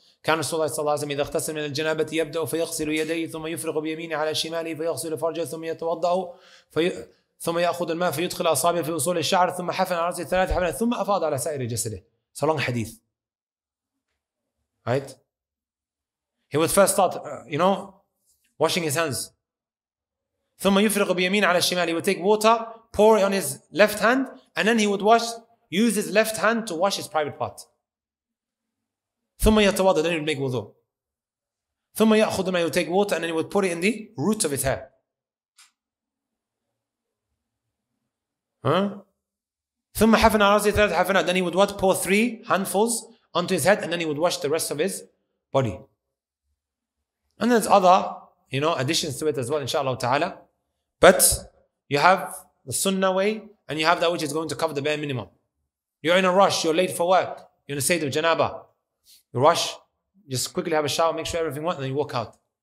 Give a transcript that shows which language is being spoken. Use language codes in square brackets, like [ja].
[ar] كان رسول الله صلى الله عليه وسلم إذا اغتسل من الجنابة يبدأ فيغسل يديه ثم يفرغ بيمينه على شماله فيغسل فرجه ثم يتوضأ ثم يأخذ الماء فيدخل أصابعه في أصول الشعر ثم حفن على رأسه ثلاث حفنات ثم أفاض على سائر جسده. [en] It's a long hadith. Right? He would first start, you know, washing his hands. [ar] ثم يفرغ بيمين على الشمال. [en] He would take water, pour it on his left hand, and then he would wash, use his left hand to wash his private part. [ar] ثم يتوضا, [en] then he would make wudu. [ar] ثم يأخذ الماء, [en] he would take water, and then he would put it in the roots of his hair. [ar] ثم حفن على رأسه ثلاث حفنات, [en] then he would what? Pour three handfuls onto his head, and then he would wash the rest of his body. And there's other, you know, additions to it as well, inshallah ta'ala. But you have the sunnah way, and you have that which is going to cover the bare minimum. You're in a rush, you're late for work, you're in a state of janaba. You rush, just quickly have a shower, make sure everything went, and then you walk out.